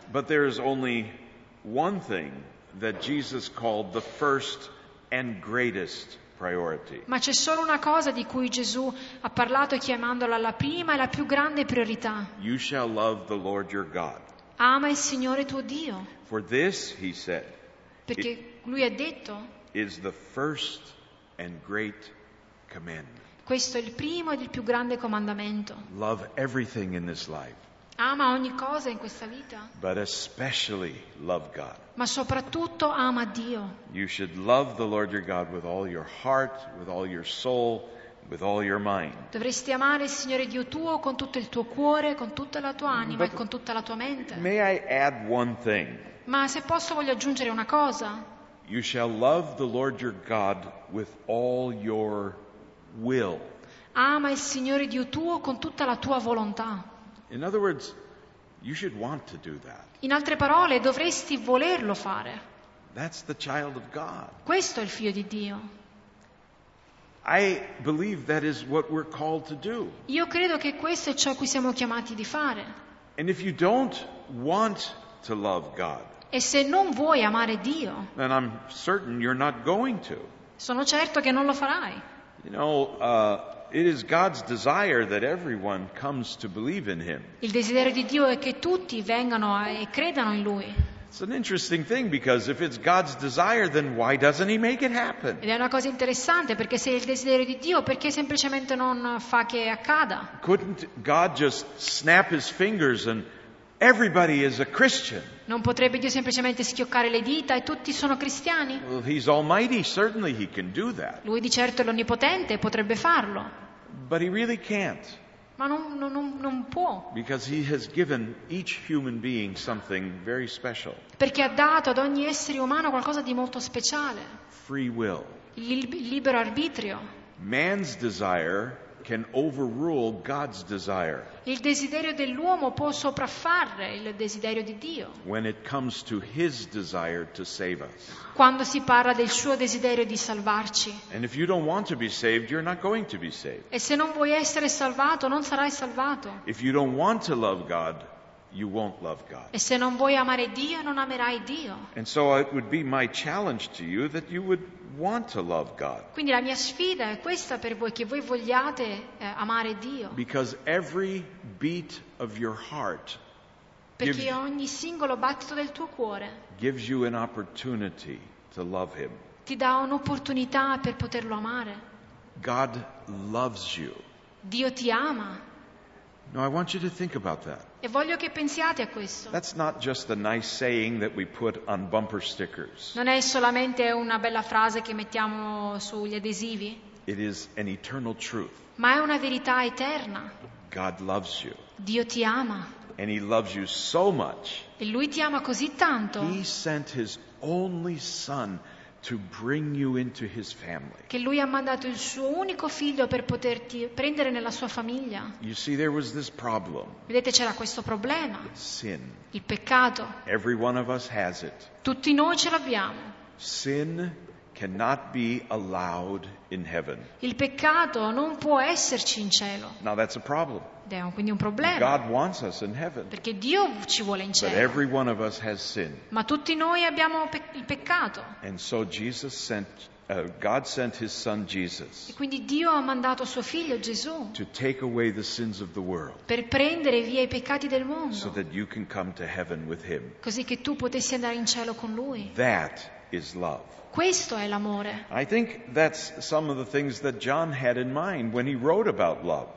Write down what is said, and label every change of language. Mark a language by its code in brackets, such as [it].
[en] But there is only one thing that Jesus called the first and greatest priority. [it] Ma c'è solo una cosa di cui Gesù ha parlato chiamandola la prima e la più grande priorità. [en] You shall love the Lord your God. [it] Ama il Signore tuo Dio. [en] For this, he said. [it] Perché lui ha detto. [en] Is the first and great commandment. [it] Questo è il primo ed il più grande comandamento. [en] Love everything in this life. [it] Ama ogni cosa in questa vita. [en] But especially love God. [it] Ma soprattutto ama Dio. [en] You should love the Lord your God with all your heart, with all your soul, with all your mind. [it] Dovresti amare il Signore Dio tuo con tutto il tuo cuore, con tutta la tua anima e con tutta la tua mente. [en] May I add one thing? [it] Ma se posso voglio aggiungere una cosa. [en] You shall love the Lord your God with all your will. [it] Ama il Signore Dio tuo con tutta la tua volontà. [en] In other words, you should want to do that. [it] In altre parole, dovresti volerlo fare. [en] That's the child of God. [it] Questo è il figlio di Dio. [en] I believe that is what we're called to do. [it] Io credo che questo è ciò a cui siamo chiamati di fare. [en] And if you don't want to love God, [it] e se non vuoi amare Dio, [en] then I'm certain you're not going to. [it] Sono certo che non lo farai. [en] You know, it is God's desire that everyone comes to believe in Him. [it] Il desiderio di Dio è che tutti vengano e credano in Lui. [en] It's an interesting thing because if it's God's desire, then why doesn't He make it happen? [it] Ed è una cosa interessante perché se è il desiderio di Dio, perché semplicemente non fa che accada? [en] Couldn't God just snap His fingers and everybody is a Christian? [it] Non potrebbe Dio semplicemente schioccare le dita e tutti sono cristiani? [en] Well, He's Almighty, certainly He can do that. [it] Lui di certo è l'Onnipotente, potrebbe farlo. [en] But He really can't. [it] Ma non può. [en] Because He has given each human being something very special. [it] Perché ha dato ad ogni essere umano qualcosa di molto speciale. [en] Free will. [it] Il libero arbitrio. [en] Man's desire can overrule God's desire. [it] Il desiderio dell'uomo può sopraffare il desiderio di Dio. [en] When it comes to His desire to save us. [it] Quando si parla del suo desiderio di salvarci. [en] And if you don't want to be saved, you're not going to be saved. [it] E se non vuoi essere salvato, non sarai salvato. [en] If you don't want to love God, you won't love God. [it] E se non vuoi amare Dio, non amerai Dio. [en] And so it would be my challenge to you that you would want to love God. [it] Quindi la mia sfida è questa per voi, che voi vogliate amare Dio. [en] Because every beat of your heart, [it] perché ogni singolo battito del tuo cuore, [en] gives you an opportunity to love Him. [it] Ti dà un'opportunità per poterlo amare. [en] God loves you. [it] Dio ti ama. [en] No, I want you to think about that. [it] E voglio che pensiate a questo. [en] That's not just a nice saying that we put on bumper stickers. [it] Non è solamente una bella frase che mettiamo sugli adesivi. [en] It is an eternal truth. [it] Ma è una verità eterna. [en] God loves you. [it] Dio ti ama. [en] And He loves you so much. [it] E Lui ti ama così tanto. [en] He sent His only Son to bring you into His family. [it] Che Lui ha mandato il suo unico figlio per poterti prendere nella sua famiglia. [en] You see, there was this problem. [it] Vedete, c'era questo problema. [en] Sin. [it] Il peccato. [en] Every one of us has it. [it] Tutti noi ce l'abbiamo. [en] Sin cannot be allowed in heaven. [it] Il peccato non può esserci in cielo. [en] Now that's a problem. [it] È quindi un problema. [en] God wants us in heaven. [it] Perché Dio ci vuole in cielo. [en] But every one of us has sin. [it] Ma tutti noi abbiamo il peccato. [en] And so Jesus sent, God sent His Son Jesus. [it] E quindi Dio ha mandato suo figlio Gesù. [en] To take away the sins of the world. [it] Per prendere via i peccati del mondo. [en] So that you can come to heaven with Him. [it] Così che tu potessi andare in cielo con Lui. [en] That is love. [it] Questo è l'amore. [en] I think that's some of the things that John had in mind when he wrote about love.